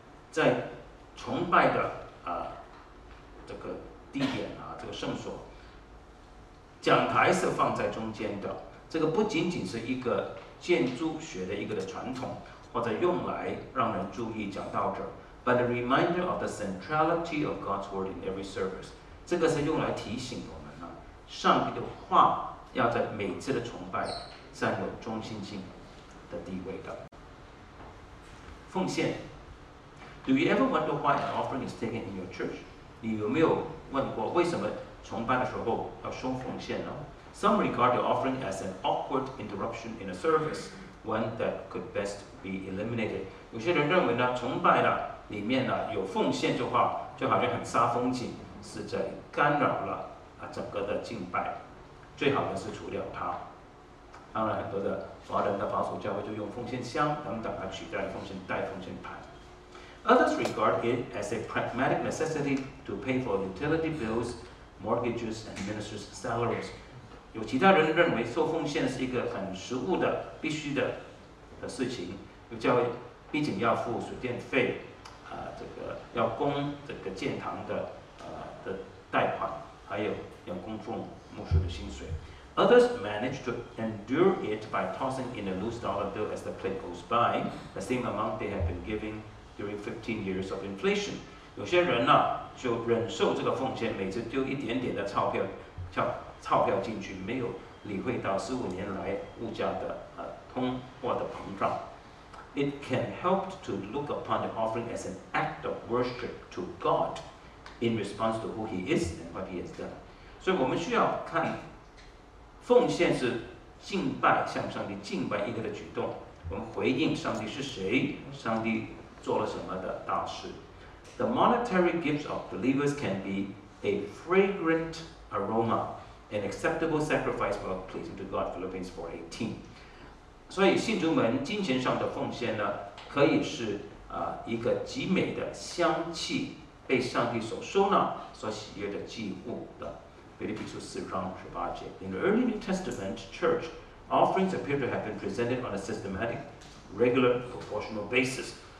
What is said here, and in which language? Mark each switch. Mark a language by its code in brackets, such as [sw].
[zh] 在崇拜的这个地点这个圣所，讲台是放在中间的，这个不仅仅是一个建筑学的一个的传统，或者用来让人注意讲道者 ， [en] but a reminder of the centrality of God's word in every service。 [zh] 这个是用来提醒我们呢，上帝的话要在每次的崇拜占有中心性的地位的。 [en] 奉献 ，Do you ever wonder why an offering is taken in your church？ [zh] 你有没有问过为什么崇拜的时候要收奉献呢？ [en] Some regard the offering as an awkward interruption in a service, one that could best be eliminated. [zh] 有些人认为呢，崇拜呢里面呢有奉献的话，就好像很煞风景，是在干扰了啊整个的敬拜，最好的是除掉它。当然，很多的华人的保守教会就用奉献箱等等来取代奉献袋、奉献盘。 [en] Others regard it as a pragmatic necessity to pay for utility bills, mortgages, and ministers' salaries. [zh] 有其他人认为收奉献是一个很实务的必须 的事情，有教会毕竟要付水电费、这个要供这个建堂 的贷款，还有要供奉牧师的薪水。 [en] Others manage to endure it by tossing in a loose dollar bill as the plate goes by, the same amount they have been giving during 15 years of inflation. [zh] 有些人呢、就忍受这个奉献，每次丢一点点的钞票叫钞票进去，没有理会到十五年来物价的通货的膨胀。 [en] It can help to look upon the offering as an act of worship to God in response to who He is and what He has done. [zh] 所以我们需要看奉献是敬拜，向上帝敬拜一个的举动。我们回应上帝是谁，上帝做了什么的大事。 [en] The monetary gifts of believers can be a fragrant aroma. An acceptable sacrifice for pleasing to God, Philippians 4:18. [zh] 所以信徒们金钱上的奉献呢，可以是、一个极美的香气，被上帝所收纳、所喜悦的祭物的。腓立比书四章十八节。 [en] In the early New Testament church, offerings appear to have been presented on a systematic, regular, proportional basis.